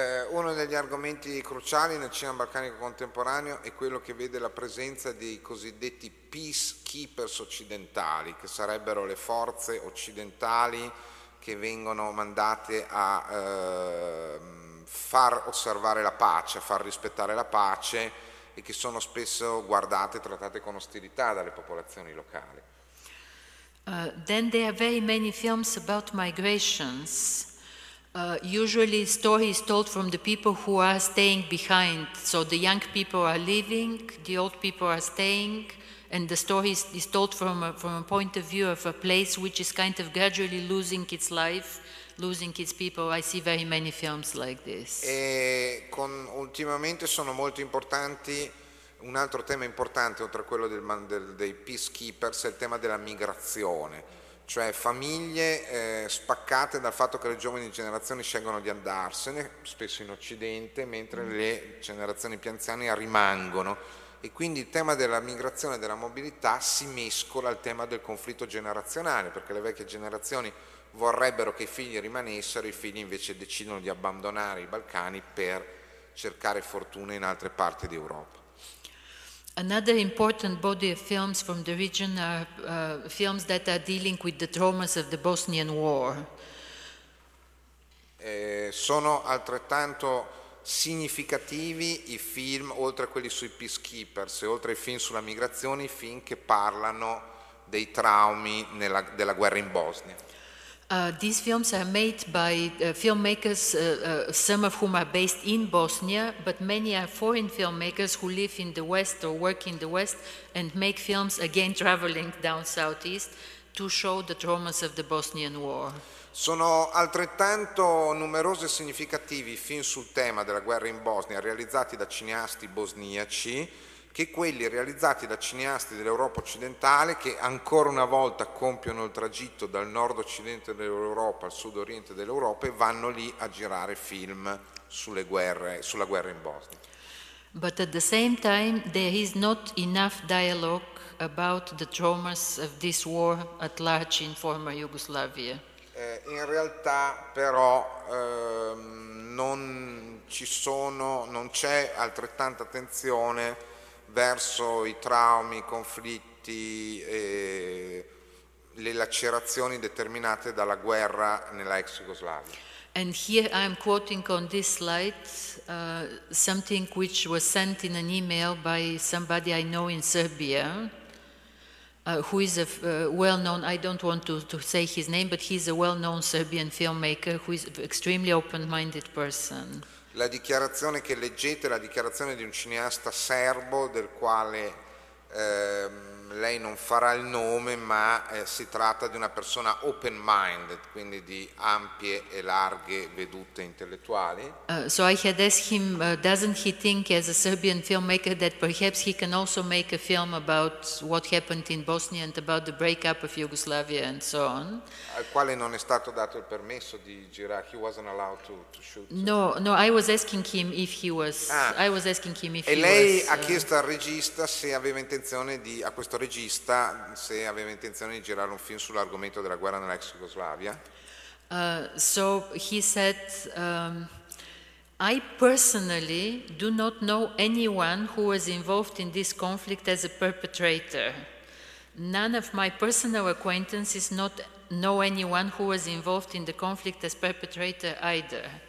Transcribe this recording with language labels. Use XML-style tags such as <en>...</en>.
<it>Uno degli argomenti cruciali nel cinema balcanico contemporaneo è quello che vede la presenza dei cosiddetti peacekeepers occidentali, che sarebbero le forze occidentali che vengono mandate a far osservare la pace, a far rispettare la pace, e che sono spesso guardate e trattate con ostilità dalle popolazioni locali.</it> <en>Then there are very many films about migrations. Usually the story is told from the people who are staying behind. So the young people are leaving, the old people are staying, and the story is told from a point of view of a place which is kind of gradually losing its life, losing its people. I see very many films like this.</en> <it>E ultimamente sono molto importanti, un altro tema importante oltre a quello dei peacekeepers è il tema della migrazione. Cioè famiglie spaccate dal fatto che le giovani generazioni scelgono di andarsene, spesso in Occidente, mentre le generazioni più anziane rimangono. E quindi il tema della migrazione e della mobilità si mescola al tema del conflitto generazionale, perché le vecchie generazioni vorrebbero che i figli rimanessero, i figli invece decidono di abbandonare i Balcani per cercare fortuna in altre parti d'Europa.</it> <en>Another important body of films from the region are films that are dealing with the traumas of the Bosnian War.</en> <it>Sono altrettanto significativi i film, oltre a quelli sui peacekeepers, oltre ai film sulla migrazione, i film che parlano dei traumi della guerra in Bosnia.</it> <en>These films are made by filmmakers, some of whom are based in Bosnia, but many are foreign filmmakers who live in the West or work in the West and make films, again traveling down southeast, to show the traumas of the Bosnian War.</en> <it>Sono altrettanto numerosi e significativi i film sul tema della guerra in Bosnia realizzati da cineasti bosniaci che quelli realizzati da cineasti dell'Europa occidentale che ancora una volta compiono il tragitto dal nord occidente dell'Europa al sud oriente dell'Europa e vanno lì a girare film sulle guerre, sulla guerra in Bosnia.</it> <en>But at the same time there is not enough dialogue about the traumas of this war at large in former Yugoslavia.</en> <it>In realtà però non c'è altrettanta attenzione verso i traumi, i conflitti e le lacerazioni determinate dalla guerra nella ex Jugoslavia.</it> <en>And here I am quoting on this slide something which was sent in an email by somebody I know in Serbia. Who is a well-known, I don't want to say his name, but he's a well-known Serbian filmmaker who is an extremely open-minded person.</en> <it>La dichiarazione che leggete è la dichiarazione di un cineasta serbo del quale lei non farà il nome, ma si tratta di una persona open-minded, quindi di ampie e larghe vedute intellettuali.</it> <en>So I had asked him, doesn't he think as a Serbian filmmaker that perhaps he can also make a film about what happened in Bosnia and about the breakup of Yugoslavia and so on?</en> <it>Al quale non è stato dato il permesso di girare,</it> <en>he wasn't allowed to shoot. No, I was asking him if he was. Ah. I was asking him if</en> <it>e</it> <en>he</en> <it>lei</it> <en>was,</en> <it>ha chiesto al regista se aveva intenzione di, a questo regista, se aveva intenzione di girare un film sull'argomento della guerra nell'ex Jugoslavia.</it> <en>So he said, I personally do not know anyone who was involved in this conflict as a perpetrator. None of my personal acquaintances not know anyone who was involved in the conflict as perpetrator either.</en>